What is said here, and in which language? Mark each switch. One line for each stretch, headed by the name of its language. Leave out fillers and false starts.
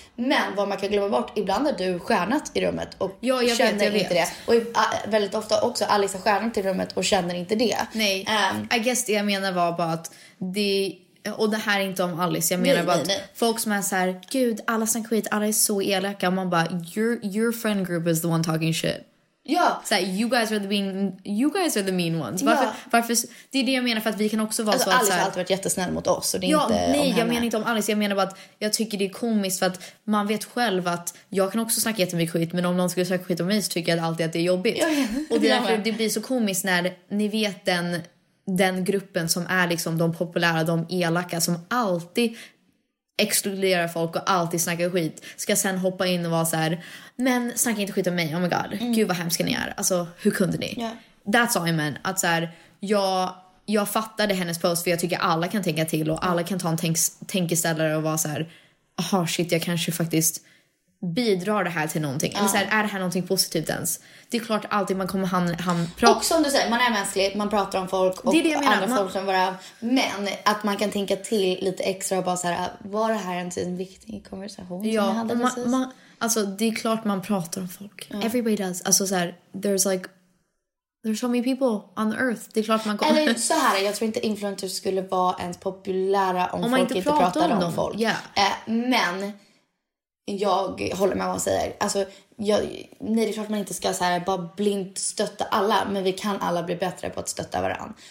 Swedish: Men vad man kan glömma bort, ibland är du stjärnat i rummet och jag känner inte det. Och väldigt ofta också Alice är stjärnat i rummet och känner inte det. Nej,
English: I guess
Swedish: det jag menar var bara att det, och det här är inte om Alice, jag menar bara att folk som är så här, gud, alla snackar skit, alla är så elaka. Man bara,
English: your friend group is the one talking shit.
Swedish: Ja. Så här,
English: you guys are the mean ones.
Swedish: Varför det är det jag menar, för att vi kan också vara alltså, så att Alice har alltid varit jättesnäll mot oss, och det är inte om henne. Jag menar inte om Alice, jag menar bara att jag tycker det är komiskt, för att man vet själv att jag kan också snacka jättemycket skit, men om någon skulle snacka skit om mig så tycker jag alltid att det är jobbigt. Och det är därför det blir så komiskt när ni vet den gruppen som är liksom de populära, de elaka som alltid exkluderar folk och alltid snackar skit, ska sen hoppa in och vara så här, men snacka inte skit om mig,
English: oh my god.
Swedish: Mm. Gud vad hemska ni är, alltså hur kunde ni?
English: Yeah. That's all I meant.
Swedish: Att så här, jag fattade hennes post, för jag tycker alla kan tänka till och alla kan ta en tänkeställare och vara så här, aha, shit, jag kanske faktiskt bidrar det här till någonting. Eller så här, är det här någonting positivt ens? Det är klart alltid man kommer han prata. Och som du säger, man är mänsklig, man pratar om folk och folk som bara, men att man kan tänka till lite extra och bara så här, var det här en sån viktig konversation? Ja, alltså det är klart man pratar om folk.
English: Mm. Everybody does.
Swedish: Alltså så här,
English: there's so many people on the earth.
Swedish: Det är klart man går. Eller så här, jag tror inte influencers skulle vara ens populära om folk inte pratar om folk.
English: Yeah.
Swedish: Men jag håller med vad man säger. Alltså, nej, det är klart man inte ska så här bara blint stötta alla, men vi kan alla bli bättre på att stötta varandra.